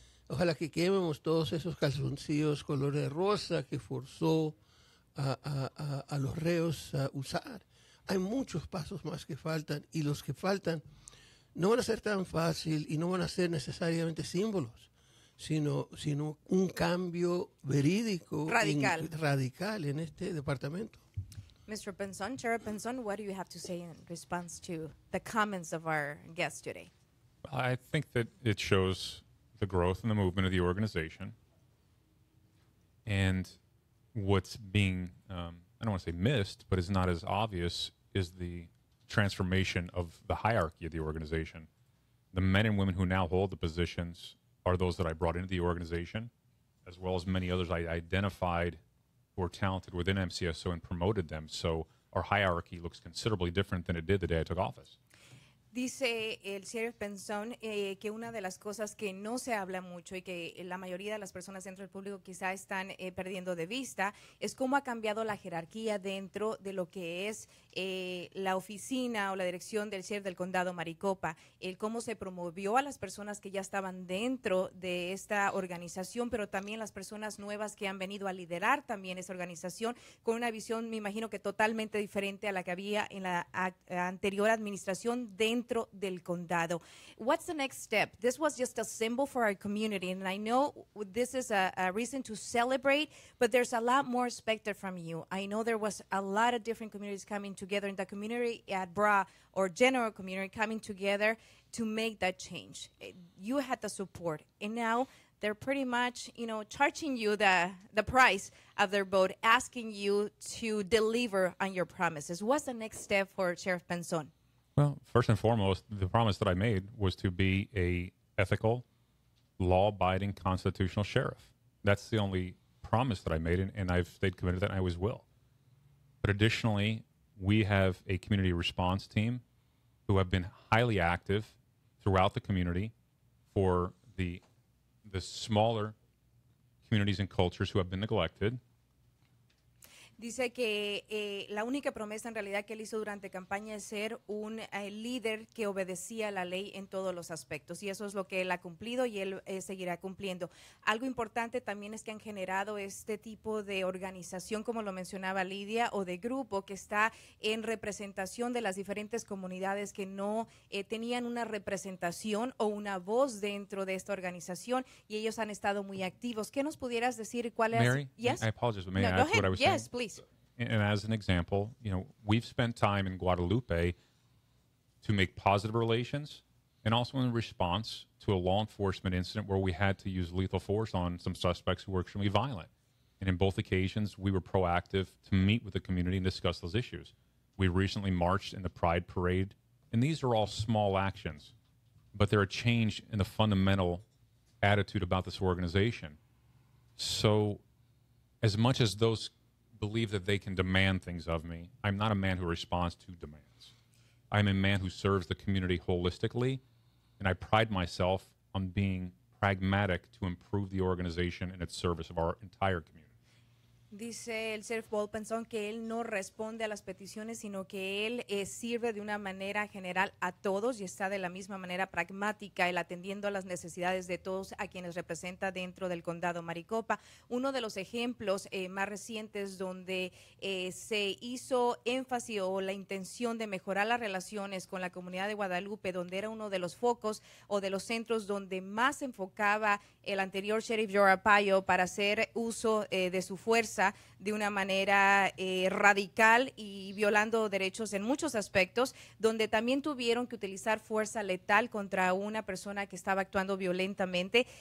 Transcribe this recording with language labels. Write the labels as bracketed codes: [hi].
[es] Ojalá que quememos todos esos calzoncillos color de rosa que forzó a los reos a usar. Hay muchos pasos más que faltan, y los que faltan no van a ser tan fácil y no van a ser necesariamente símbolos, sino un cambio verídico, radical en este departamento. [en] Mr. Pinzón, Chair Pinzón, what do you have to say in response to the comments of our guest today? I think that it shows the growth and the movement of the organization and what's being I don't want to say missed, but it's not as obvious, is the transformation of the hierarchy of the organization. The men and women who now hold the positions are those that I brought into the organization, as well as many others I identified who are talented within MCSO and promoted them. So our hierarchy looks considerably different than it did the day I took office. [es] Dice el sheriff Pinzón que una de las cosas que no se habla mucho y que la mayoría de las personas dentro del público quizá están perdiendo de vista es cómo ha cambiado la jerarquía dentro de lo que es la oficina o la dirección del sheriff del condado Maricopa, el cómo se promovió a las personas que ya estaban dentro de esta organización, pero también las personas nuevas que han venido a liderar también esa organización con una visión, me imagino, que totalmente diferente a la que había en la anterior administración dentro del condado. [en] What's the next step? This was just a symbol for our community, and I know this is a reason to celebrate, but there's a lot more expected from you. I know there was a lot of different communities coming together in the community at BRA, or general community, coming together to make that change. You had the support, and now they're pretty much, you know, charging you the price of their vote, asking you to deliver on your promises. What's the next step for Sheriff Pinzón? Well, first and foremost, the promise that I made was to be a ethical, law-abiding, constitutional sheriff. That's the only promise that I made, and I've stayed committed to that, and I always will. But additionally, we have a community response team who have been highly active throughout the community for the smaller communities and cultures who have been neglected. [es] Dice que la única promesa en realidad que él hizo durante campaña es ser un líder que obedecía la ley en todos los aspectos. Y eso es lo que él ha cumplido y él seguirá cumpliendo. Algo importante también es que han generado este tipo de organización, como lo mencionaba Lidia, o de grupo que está en representación de las diferentes comunidades que no tenían una representación o una voz dentro de esta organización. Y ellos han estado muy activos. ¿Qué nos pudieras decir? ¿Cuál es? [en] Mary, yes? I apologize, but may I ask what I was yes, saying? Please. And as an example, you know, we've spent time in Guadalupe to make positive relations and also in response to a law enforcement incident where we had to use lethal force on some suspects who were extremely violent. And in both occasions, we were proactive to meet with the community and discuss those issues. We recently marched in the Pride Parade, and these are all small actions, but they're a change in the fundamental attitude about this organization. So as much as those believe that they can demand things of me, I'm not a man who responds to demands. I'm a man who serves the community holistically, and I pride myself on being pragmatic to improve the organization and its service of our entire community. [es] dice el sheriff Wolpenson que él no responde a las peticiones, sino que él sirve de una manera general a todos y está de la misma manera pragmática, él atendiendo a las necesidades de todos a quienes representa dentro del condado Maricopa. Uno de los ejemplos más recientes donde se hizo énfasis o la intención de mejorar las relaciones con la comunidad de Guadalupe, donde era uno de los focos o de los centros donde más se enfocaba el anterior sheriff Joe Arpaio para hacer uso de su fuerza de una manera radical y violando derechos en muchos aspectos, donde también tuvieron que utilizar fuerza letal contra una persona que estaba actuando violentamente.